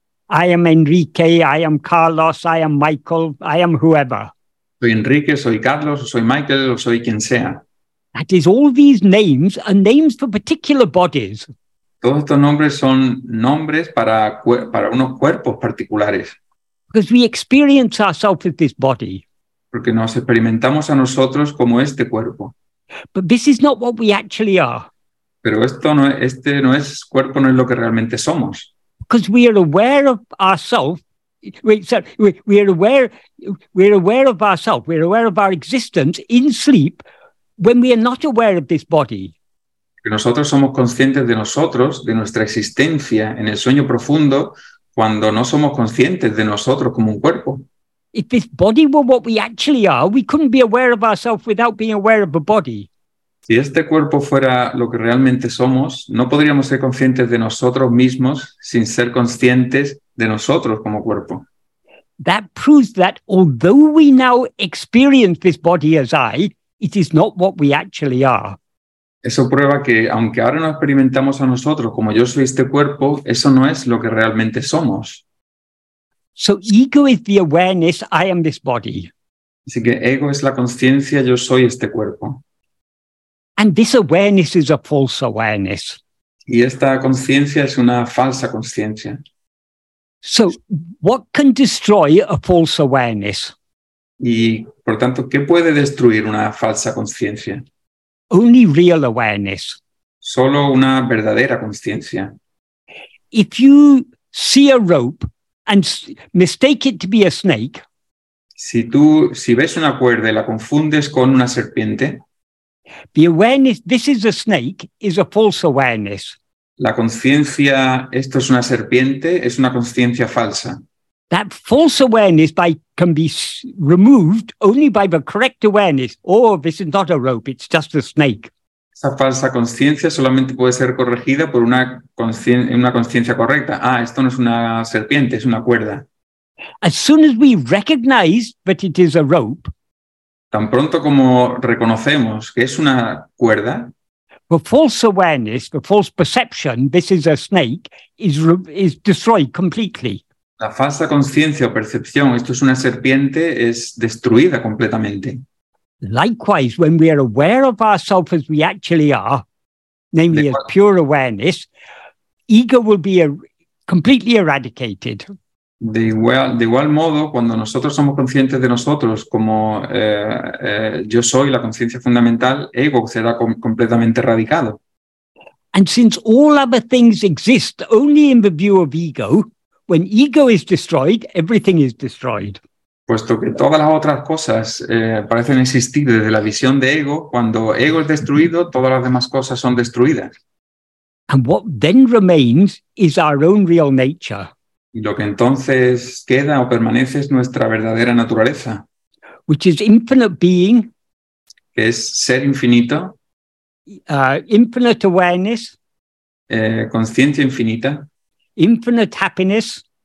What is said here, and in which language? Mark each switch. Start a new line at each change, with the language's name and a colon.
English: I am Enrique, I am Carlos, I am Michael, I am whoever.
Spanish: Soy Enrique, soy Carlos, soy Michael, o soy quien sea.
English: That is, all these names are names for particular bodies.
Spanish: Todos estos nombres son nombres para unos cuerpos particulares.
English: Because we experience ourselves as this body.
Spanish: Porque nos experimentamos a nosotros como este cuerpo.
English: But this is not what we actually are.
Spanish: Pero este cuerpo no es lo que realmente somos.
English: Because we are aware of ourselves, we're aware of our existence in sleep when we are not aware of this body.
Spanish: Nosotros somos conscientes de nosotros, de nuestra existencia en el sueño profundo, cuando no somos conscientes de nosotros como un cuerpo.
English: If this body were what we actually are, we couldn't be aware of ourselves without being aware of the body.
Spanish: Si este cuerpo fuera lo que realmente somos, no podríamos ser conscientes de nosotros mismos sin ser conscientes de nosotros como cuerpo.
English: That proves that although we now experience this body as I, it is not what we actually are.
Spanish: Eso prueba que aunque ahora nos experimentamos a nosotros como yo soy este cuerpo, eso no es lo que realmente somos.
English: So ego is the awareness I am this body.
Spanish: Así que ego es la conciencia yo soy este cuerpo.
English: And this awareness is a false awareness.
Spanish: Y esta conciencia es una falsa conciencia.
English: So, what can destroy a false awareness?
Spanish: Y, por tanto, ¿qué puede destruir una falsa conciencia?
English: Only real awareness.
Spanish: Solo una verdadera conciencia.
English: If you see a rope and mistake it to be a snake.
Spanish: Si ves una cuerda y la confundes con una serpiente.
English: The awareness, this is a snake, is a false awareness.
Spanish: La conciencia, esto es una serpiente, es una conciencia falsa.
English: That false awareness can be removed only by the correct awareness. Oh, this is not a rope, it's just a snake.
Spanish: Esa falsa conciencia solamente puede ser corregida por una conciencia correcta. Ah, esto no es una serpiente, es una cuerda.
English: As soon as we recognize that it is a rope,
Spanish: tan pronto como reconocemos que es una cuerda,
English: the false awareness, the false perception, this is a snake, is destroyed completely.
Spanish: La falsa conciencia o percepción, esto es una serpiente, es destruida completamente.
English: Likewise, when we are aware of ourselves as we actually are, namely as pure awareness, ego will be completely eradicated.
Spanish: De igual modo, cuando nosotros somos conscientes de nosotros como yo soy la conciencia fundamental, ego será completamente erradicado.
English: And since all other things exist only in the view of ego, when ego is destroyed, everything is destroyed.
Spanish: Puesto que todas las otras cosas parecen existir desde la visión de ego, cuando ego es destruido, todas las demás cosas son destruidas.
English: And what then remains is our own real nature.
Spanish: Y lo que entonces queda o permanece es nuestra verdadera naturaleza.
English: Which is infinite being.
Spanish: Que es ser infinito.
English: Infinite awareness.
Spanish: Conciencia infinita.
English: Infinite happiness.